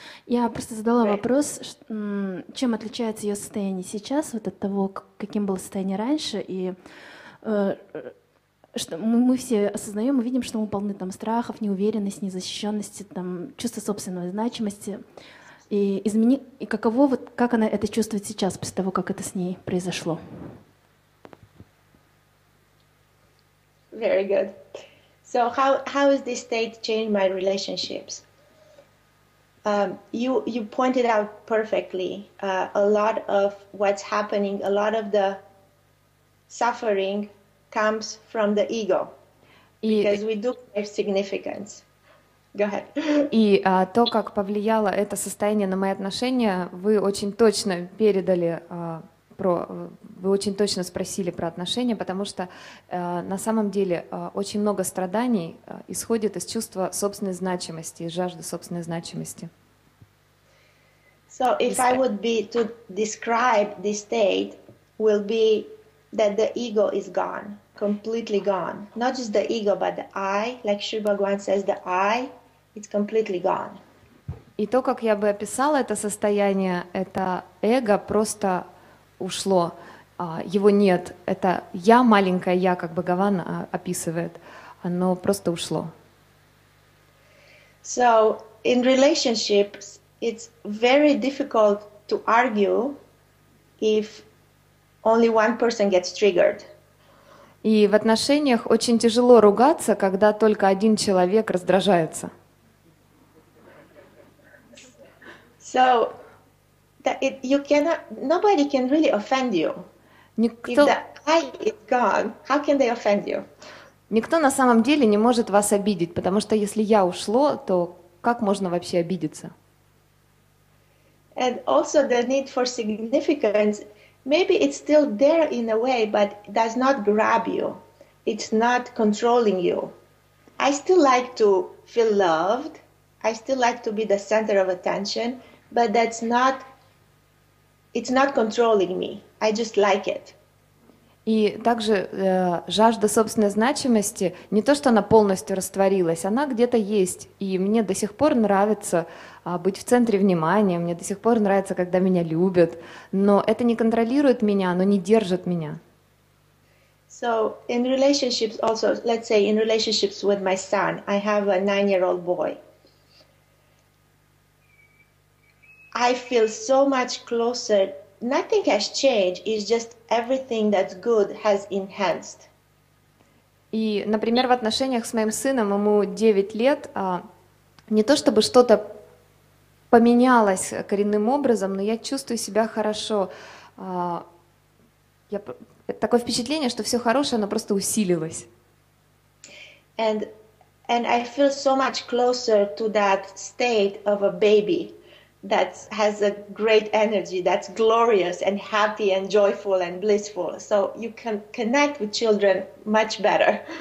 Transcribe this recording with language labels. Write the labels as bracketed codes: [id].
[ru] Я просто задала вопрос, чем отличается ее состояние сейчас вот от того, каким было состояние раньше, и что мы все осознаем, мы видим, что мы полны там страхов, неуверенности, незащищенности, там чувства собственной значимости. И каково вот как она это чувствует сейчас после того, как это с ней произошло? [en] Very good. So how has this state changed my relationships? You pointed out perfectly a lot of what's happening, a lot of the suffering comes from the ego, because we do crave significance. Go ahead. [ru] И то, как повлияло это состояние на мои отношения, вы очень точно передали вы очень точно спросили про отношения, потому что на самом деле очень много страданий исходит из чувства собственной значимости, из жажды собственной значимости. [en] So if I would be to describe this state, will be that the ego is gone, completely gone. Not just the ego, but the I, like Sri Bhagwan says, the I, it's completely gone. [ru] И то, как я бы описала это состояние, это эго просто ушло, его нет. Это я, маленькая я, как Бхагаван описывает, оно просто ушло. [en] So, in relationships, it's very difficult to argue if only one person gets triggered. [ru] И в отношениях очень тяжело ругаться, когда только один человек раздражается. [en] So, you cannot, nobody can really offend you. [ru] Никто, [en] if the I is gone, how can they offend you? [ru] Никто на самом деле не может вас обидеть, потому что если я ушло, то как можно вообще обидеться? [en] And also the need for significance. Maybe it's still there in a way, but does not grab you. It's not controlling you. I still like to feel loved. I still like to be the center of attention, but it's not controlling me. I just like it. [ru] И также жажда собственной значимости, не то, что она полностью растворилась, она где-то есть. И мне до сих пор нравится быть в центре внимания, мне до сих пор нравится, когда меня любят. Но это не контролирует меня, оно не держит меня. [en] So, in relationships also, let's say in relationships with my son, I have a 9-year-old boy. I feel so much closer. Nothing has changed, it's just everything that's good has enhanced. [ru] И, например, в отношениях с моим сыном, ему 9 лет, не то чтобы что-то поменялось коренным образом, но я чувствую себя хорошо. Такое впечатление, что все хорошее, оно просто усилилось. [en] And I feel so much closer to that state of a baby. That has a great energy, that's glorious and happy and joyful and blissful. So you can connect with children much better.